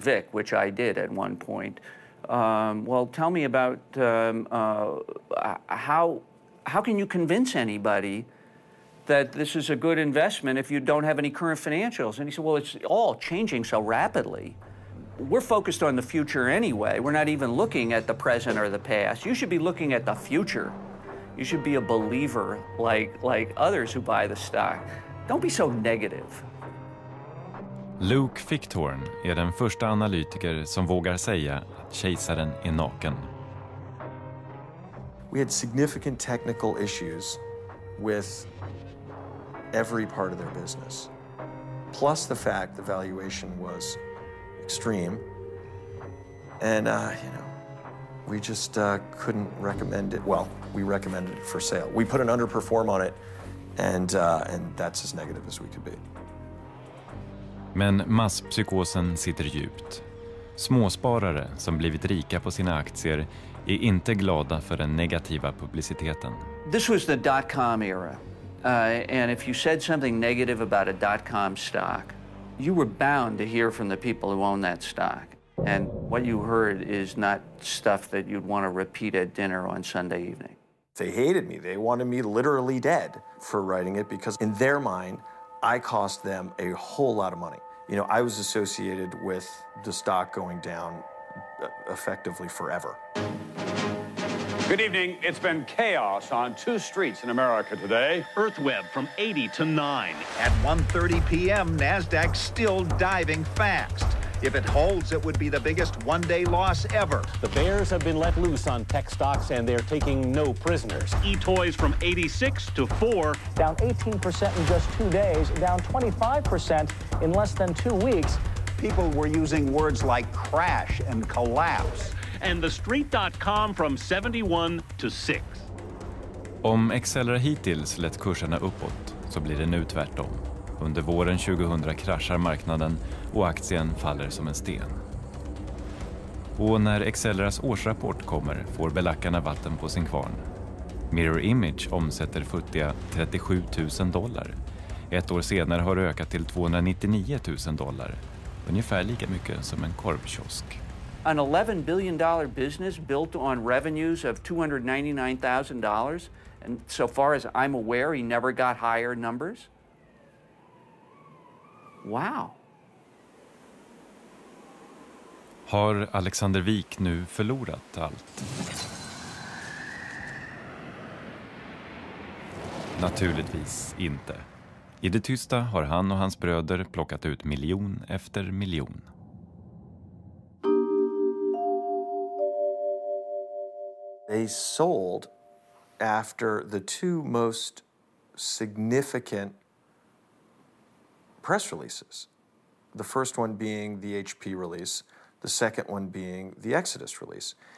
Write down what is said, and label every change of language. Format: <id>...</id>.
<en>Wik, which I did at one point, well, tell me about how can you convince anybody that this is a good investment if you don't have any current financials? And he said, well, it's all changing so rapidly. We're focused on the future anyway. We're not even looking at the present or the past. You should be looking at the future. You should be a believer like others who buy the stock. Don't be so negative.</en> <sv>Luke Fichthorn är den första analytiker som vågar säga att kejsaren är naken.</sv> <en>We had significant technical issues with every part of their business. Plus the fact the valuation was extreme. And we just couldn't recommend it. Well, we recommended it for sale. We put an underperform on it, and that's as negative as we could be.</en> <sv>Men masspsykosen sitter djupt. Småsparare som blivit rika på sina aktier är inte glada för den negativa publiciteten.</sv> <en>This was the dot-com era. And if you said something negative about a dot-com stock, you were bound to hear from the people who own that stock. And what you heard is not stuff that you'd want to repeat at dinner on Sunday evening. They hated me. They wanted me literally dead for writing it, because in their mind, I cost them a whole lot of money. You know, I was associated with the stock going down effectively forever. Good evening. It's been chaos on two streets in America today. EarthWeb from 80 to 9. At 1:30 p.m., NASDAQ still diving fast. If it holds, it would be the biggest one-day loss ever. The bears have been let loose on tech stocks, and they're taking no prisoners. eToys from 86 to 4. Down 18% in just 2 days, down 25% in less than 2 weeks. People were using words like crash and collapse. And thestreet.com from 71 to 6.</en> <sv>Om Excel hittills lett kurserna uppåt, så blir det nu tvärtom. Under våren 2000 kraschar marknaden och aktien faller som en sten. Och när Excelras årsrapport kommer får belackarna vatten på sin kvarn. Mirror Image omsätter futtiga $37,000. Ett år senare har det ökat till $299,000. Ungefär lika mycket som en korvkiosk.</sv> <en>An $11 billion business built on revenues of $299,000. And so far as I'm aware, he never got higher numbers. Wow.</en> <sv>Har Alexander Wik nu förlorat allt? Naturligtvis inte. I det tysta har han och hans bröder plockat ut miljon efter miljon.</sv> <en>They sold after the two most significant press releases, the first one being the HP release, the second one being the Exodus release.</en>